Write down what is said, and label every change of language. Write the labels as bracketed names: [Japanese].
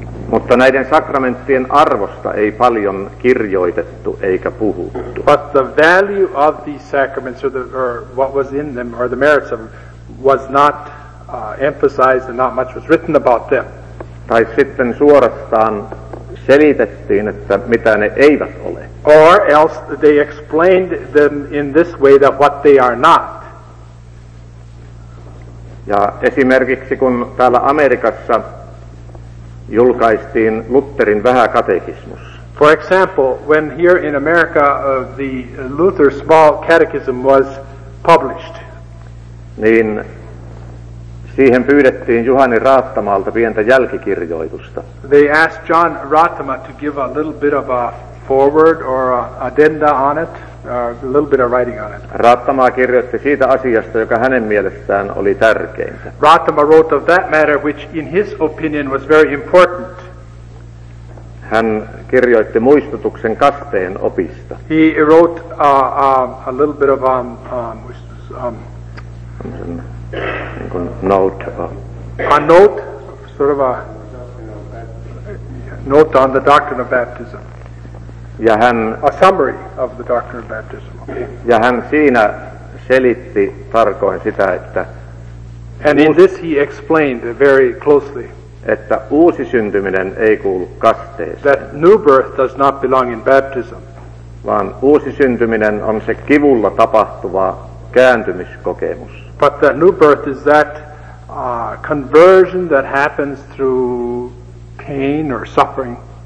[Finnish] Mutta näiden sakramenttien arvosta ei paljon kirjoitettu eikä puhuttu. [English] But the value of these sacraments or what was in them or the merits of them was not emphasized and not much was written about them. [Finnish] Tai sitten suorastaan selitettiin, että mitä ne eivät ole. [English] Or else they explained them in this way that what they are not. [Finnish] Ja esimerkiksi kun täällä Amerikassa julkaistiin Lutherin vähäkatekismus. [English] For example, when here in America the Luther Small Catechism was published. [Finnish] Niin siihen pyydettiin Juhani Raattamalta pientä jälkikirjoitusta. [English] They asked John Raattama to give a little bit of a forward or a addenda on it. A little bit of writing on it. [Finnish] Raattama kirjoitti siitä asiasta, joka hänen mielestään oli tärkeintä. [English] Raattama wrote of that matter which in his opinion was very important. [Finnish] Hän kirjoitti muistutuksen kasteen opista. [English] He wrote a little bit of a note on the doctrine of baptism. [Finnish] Ja hän, [English] a summary of the doctrine of baptism. Okay. [Finnish] Ja hän siinä selitti tarkoin sitä, että [English] and in this he explained very closely [Finnish] että uusi syntyminen ei kuulu kasteeseen. [English] That new birth does not belong in baptism. [Finnish] Vaan uusi syntyminen on se kivulla tapahtuva kääntymiskokemus. [English] But the new birth is that conversion that happens through pain or suffering.